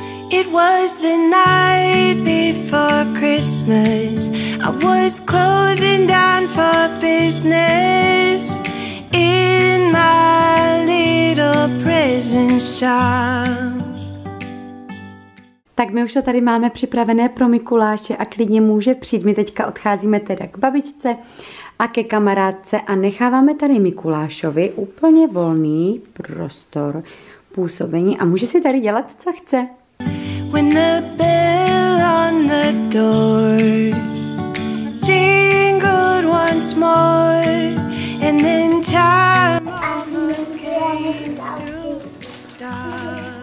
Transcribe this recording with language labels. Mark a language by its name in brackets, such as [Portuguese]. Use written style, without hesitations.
[English] It was the night before Christmas. I was closing down for business in my little prison shop. [Czech] Tak my už to tady máme připravené pro Mikuláše a klidně může přijít. My teďka odcházíme teda k babičce a ke kamarádce a necháváme tady Mikulášovi úplně volný prostor působení a může si tady dělat, co chce. [English] When the bell on the door jingled once more and then time came to stop.